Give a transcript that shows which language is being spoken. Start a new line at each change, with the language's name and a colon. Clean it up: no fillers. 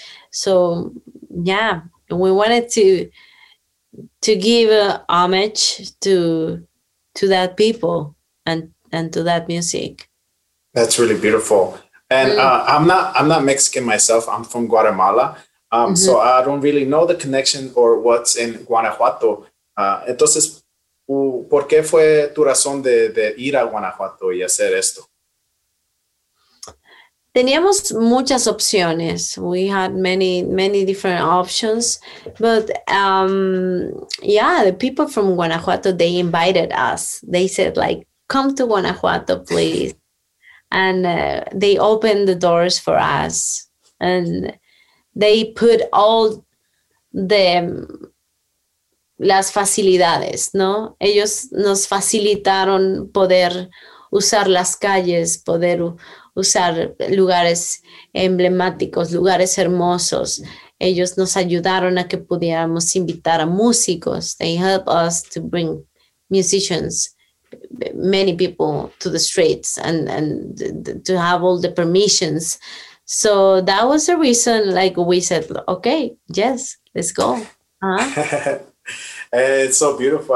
English: So yeah, we wanted to give homage to that people and to that music. That's really beautiful. And I'm not Mexican myself. I'm from Guatemala. So I don't really know the connection or what's in Guanajuato.
Spanish: Entonces, ¿por qué fue tu razón de ir a Guanajuato y hacer esto? Teníamos muchas opciones.
English: We had many, many different options. But the people from Guanajuato, they invited us. They said, like, come to Guanajuato, please. And they opened the doors for us, and they put all the
Spanish: las facilidades, ¿no? Ellos nos facilitaron poder usar las calles, poder usar lugares emblemáticos, lugares hermosos. Ellos nos ayudaron a que pudiéramos invitar a músicos.
English: They helped us to bring musicians, many people to the streets and to have all the permissions. So that was the reason, like, we said, okay, yes, let's go. It's so beautiful.